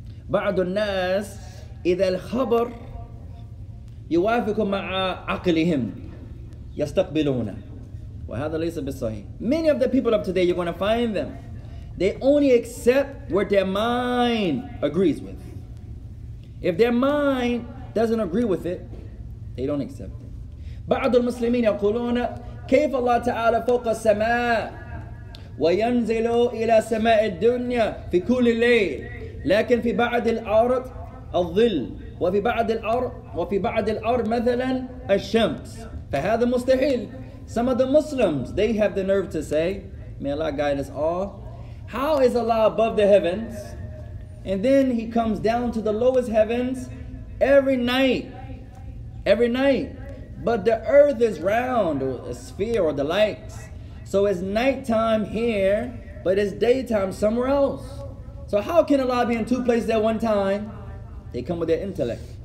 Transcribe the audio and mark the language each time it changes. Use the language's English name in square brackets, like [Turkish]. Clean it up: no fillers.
[Arabic] بعض الناس إذا الخبر يوافق مع عقلهم يستقبلونه. وهذا ليس بالصحيح. [English] Many of the people of today, you're going to find them, they only accept what their mind agrees with. If their mind doesn't agree with it, they don't accept it. [Arabic] بعض المسلمين يقولون كيف الله تعالى فوق السماء وينزل إلى سماء الدنيا في كل ليل لكن في بعض الأرض الظل وفي بعض الأرض مثلا الشمس فهذا مستحيل. [English] Some of the Muslims, they have the nerve to say, may Allah guide us all, how is Allah above the heavens and then he comes down to the lowest heavens every night, but the earth is round, a sphere or the likes, so it's nighttime here but it's daytime somewhere else, so how can Allah be in two places at one time? They come with their intellect.